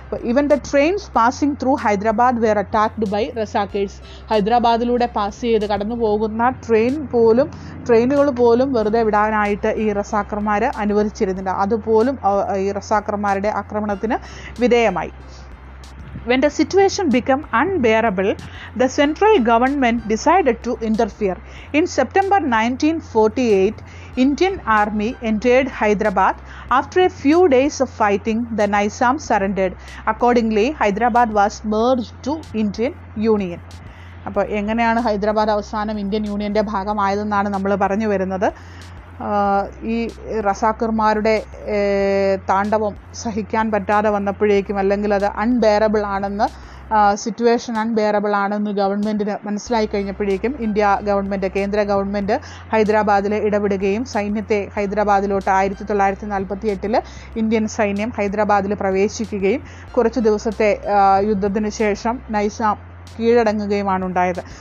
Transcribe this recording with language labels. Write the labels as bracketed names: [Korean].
[English] even the trains passing through Hyderabad were attacked by Razakars [Malayalam] ഹൈദരാബാദിലൂടെ pass ചെയ്ത് കടന്നു പോകുന്ന ട്രെയിനുകൾ പോലും വെറുതെ വിടാനായിട്ട് ഈ റസാക്കർമാർ അനുവദിച്ചിരുന്നില്ല. അതുപോലും ഈ റസാക്കർമാരുടെ ആക്രമണത്തിന് വിധേയമായി. [English] When the situation become unbearable the central government decided to interfere. In September 1948 Indian army entered Hyderabad. After a few days of fighting, the Nizam surrendered. Accordingly, Hyderabad was merged to Indian Union. [Malayalam] അപ്പോൾ എങ്ങനെയാണ് ഹൈദരാബാദ് അവസാനം Indian യൂണിയൻ്റെ ഭാഗമായതെന്നാണ് നമ്മൾ പറഞ്ഞു വരുന്നത്. ഈ റസാക്കർമാരുടെ താണ്ഡവം സഹിക്കാൻ പറ്റാതെ വന്നപ്പോഴേക്കും, അല്ലെങ്കിൽ അത് അൺബെയറബിൾ ആണെന്ന്, സിറ്റുവേഷൻ അൺബെയറബിൾ ആണെന്ന് ഗവൺമെൻറ്റിന് മനസ്സിലായി കഴിഞ്ഞപ്പോഴേക്കും ഇന്ത്യ ഗവൺമെൻറ്, കേന്ദ്ര ഗവൺമെൻറ് ഹൈദരാബാദിൽ ഇടപെടുകയും സൈന്യത്തെ ഹൈദരാബാദിലോട്ട് 1948 ഇന്ത്യൻ സൈന്യം ഹൈദരാബാദിൽ പ്രവേശിക്കുകയും കുറച്ച് ദിവസത്തെ യുദ്ധത്തിന് ശേഷം നൈസാം കീഴടങ്ങുകയുമാണ് ഉണ്ടായത്.